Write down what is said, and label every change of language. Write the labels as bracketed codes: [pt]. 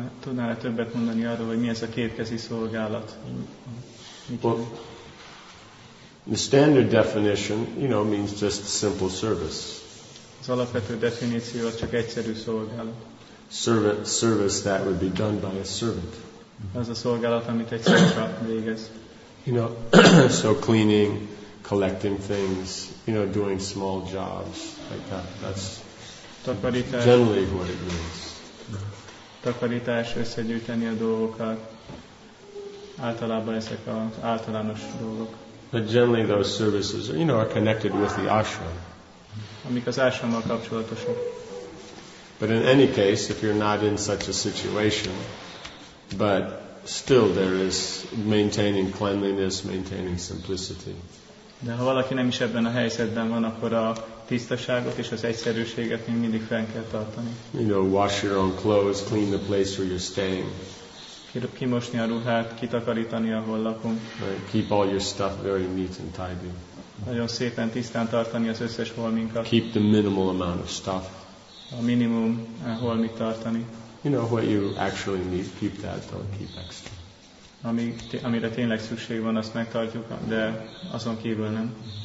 [hu] Tudnál-e többet mondani arról, hogy mi ez a kétkezi szolgálat? [en] Well, the standard definition, you know, means just simple service. [hu] Az alapvető definíció az csak egyszerű szolgálat. [en] Service that would be done by a servant. [hu] Az a szolgálat, amit egy szolga végez. [en] You know, so cleaning, collecting things, you know, doing small jobs like that. That's [hu] takarítás, [en] generally what it means. [hu] Takarítás, összegyűjteni a dolgokat. Általában ezek az általános dolgok. [en] But generally those services, you know, are connected with the ashram. [hu] Amik az ashrammal kapcsolatosak. [en] But in any case, if you're not in such a situation, but still there is maintaining cleanliness, maintaining simplicity. [hu] De ha valaki nem is ebben a helyzetben van, akkor a tisztaságot és az egyszerűséget még mindig fenn kell tartani. [en] You know, wash your own clothes, clean the place where you're staying. [hu] Kimosni a ruhát, kitakarítani, ahol lakunk. [en] Right. Keep all your stuff very neat and tidy. [hu] Nagyon szépen tisztán tartani az összes holminkat. [en] Keep the minimal amount of stuff. [hu] A minimum holmit tartani. [en] You know, what you actually need, keep that, don't keep extra. [hu] Amire tényleg szükség van, azt megtartjuk, de azon kívül nem.